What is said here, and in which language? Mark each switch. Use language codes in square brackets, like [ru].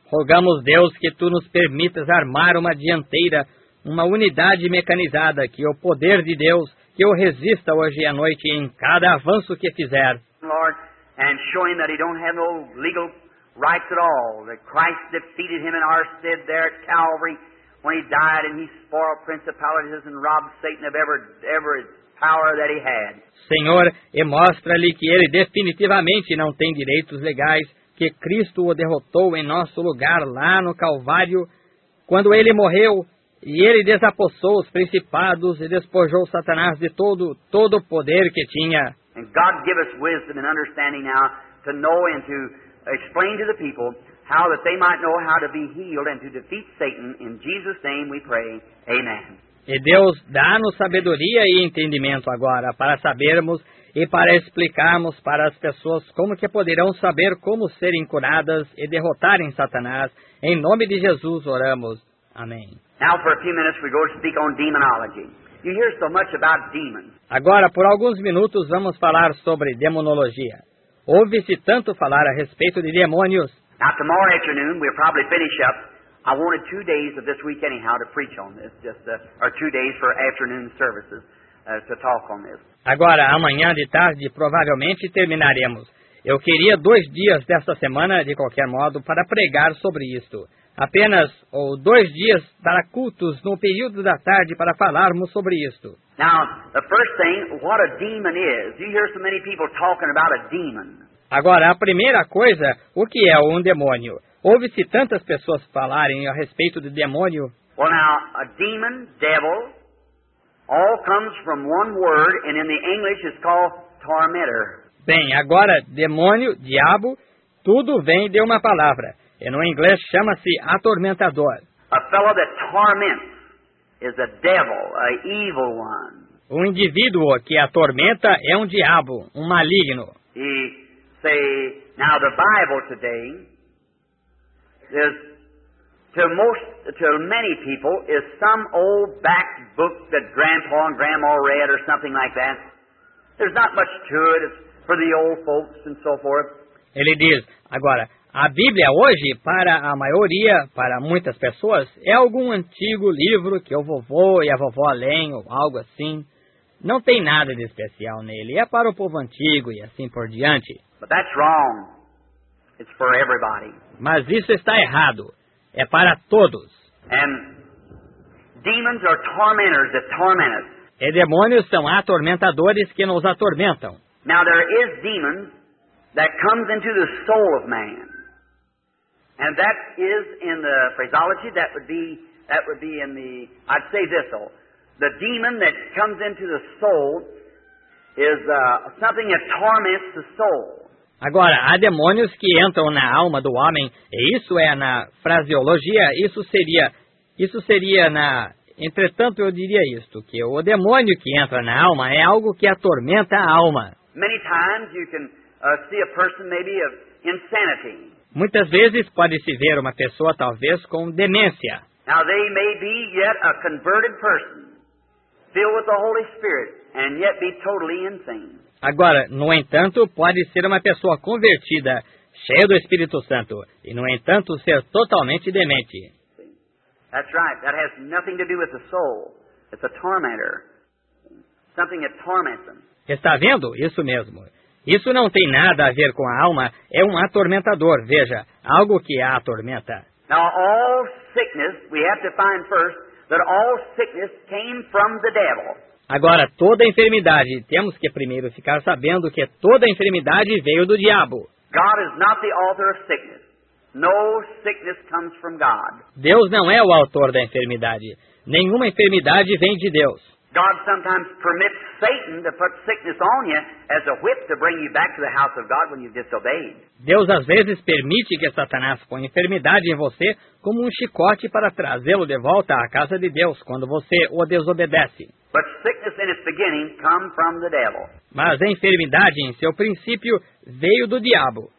[pt] Rogamos, Deus, que Tu nos permitas armar uma dianteira. Uma unidade mecanizada que o poder de Deus que o resista hoje à noite em cada avanço que fizer. [en] Lord, and show him that he don't have no legal rights at all. That Christ defeated him in our stead there at Calvary when he died and he spoiled principalities and robbed Satan of every power that he had. [pt] Senhor, e mostra-lhe que ele definitivamente não tem direitos legais, que Cristo o derrotou em nosso lugar lá no Calvário quando ele morreu. E ele desapossou os principados e despojou Satanás de todo o poder que tinha. [en] And God give us wisdom and understanding now to know and to explain to the people how that they might know how to be healed and to defeat Satan. In Jesus' name we pray. Amen. [pt] E Deus, dá-nos sabedoria e entendimento agora para sabermos e para explicarmos para as pessoas como que poderão saber como serem curadas e derrotarem Satanás. Em nome de Jesus oramos. Amém. [en] Now for a few minutes we go to speak on demonology. You hear so much about demons. [pt] Agora, por alguns minutos, vamos falar sobre demonologia. Ouve-se tanto falar a respeito de demônios. [en] Now tomorrow afternoon we'll probably finish up. I wanted 2 days of this week anyhow to preach on this, or 2 days for afternoon services to talk on this. [pt] Agora, amanhã de tarde, provavelmente terminaremos. Eu queria 2 dias desta semana, de qualquer modo, para pregar sobre isto. Apenas ou 2 dias para cultos no período da tarde para falarmos sobre isto. [en] Now, the first thing, what a demon is. You hear so many people talking about a demon. [pt] Agora, a primeira coisa, o que é demônio? Ouve-se tantas pessoas falarem a respeito de demônio? [en] Well, now, a demon, devil, all comes from one word, and in the English it's called tormentor. [pt] Bem, agora, demônio, diabo, tudo vem de uma palavra. E no inglês chama-se atormentador. [en] A fellow that torments is a devil, a evil one. [pt] Um indivíduo que atormenta é diabo, maligno. [en] He say, now the Bible today is to many people is some old back book that grandpa and grandma read or something like that. There's not much to it. It's for the old folks and so forth. [pt] Ele diz, agora, a Bíblia hoje, para a maioria, para muitas pessoas, é algum antigo livro que o vovô e a vovó leem ou algo assim. Não tem nada de especial nele. É para o povo antigo e assim por diante. [en] But that's wrong. It's for everybody. [pt] Mas isso está errado. é para todos. [en] And demons are tormentors that torment us. [pt] E demônios são atormentadores que nos atormentam. [en] Now there is demon that comes into the soul of man. And that is in the phraseology, that would be in the, I'd say this though. The demon that comes into the soul is something that torments the soul. [pt] Agora, há demônios que entram na alma do homem, e isso é na fraseologia, isso seria na... Entretanto, eu diria isto, que o demônio que entra na alma é algo que atormenta a alma. [en] Many times you can see a person maybe of insanity. [pt] Muitas vezes pode-se ver uma pessoa, talvez, com demência. [en] Now they may be yet a converted person, filled with the Holy Spirit, and yet be totally insane. [pt] Agora, no entanto, pode ser uma pessoa convertida, cheia do Espírito Santo, e no entanto ser totalmente demente. [en] That's right. That has nothing to do with the soul. It's a tormentor. Something that torments them. [pt] Está vendo? Isso mesmo. Isso não tem nada a ver com a alma. É um atormentador. Veja, algo que a atormenta. [en] Now, all sickness, we have to find first that all sickness came from the devil. [pt] Agora, toda a enfermidade, temos que primeiro ficar sabendo que toda a enfermidade veio do diabo. [en] God is not the author of sickness. No sickness comes from God. [pt] Deus não é o autor da enfermidade. Nenhuma enfermidade vem de Deus. [en] God sometimes permits Satan to put sickness on you as a whip to bring you back to the house of God when you've disobeyed. [pt] Deus às vezes permite que Satanás ponha enfermidade em você como um chicote para trazê-lo de volta à casa de Deus quando você o desobedece. [en] But sickness in its beginning comes from the devil. [pt] Mas a enfermidade em seu princípio veio do diabo.